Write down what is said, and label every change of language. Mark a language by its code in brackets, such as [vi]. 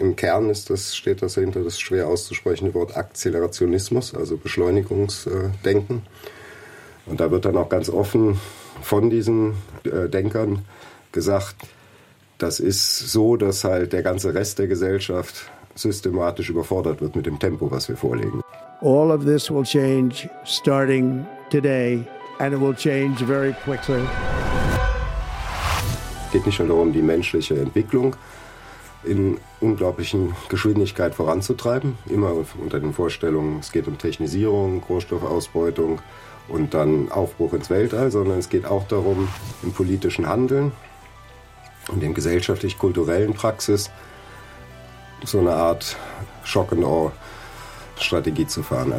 [de] Im Kern steht das dahinter, das schwer auszusprechende Wort Akzelerationismus, also Beschleunigungsdenken. Und da wird dann auch ganz offen von diesen Denkern gesagt, das ist so, dass halt der ganze Rest der Gesellschaft systematisch überfordert wird mit dem Tempo, was wir vorlegen. [en] All of this will change starting today and it will change very quickly. [de] Es geht nicht nur darum, die menschliche Entwicklung in unglaublichen Geschwindigkeit voranzutreiben, immer unter den Vorstellungen, es geht um Technisierung, Rohstoffausbeutung und dann Aufbruch ins Weltall, sondern es geht auch darum, im politischen Handeln und dem gesellschaftlich-kulturellen Praxis so eine Art Shock-and-Awe-Strategie zu fahren.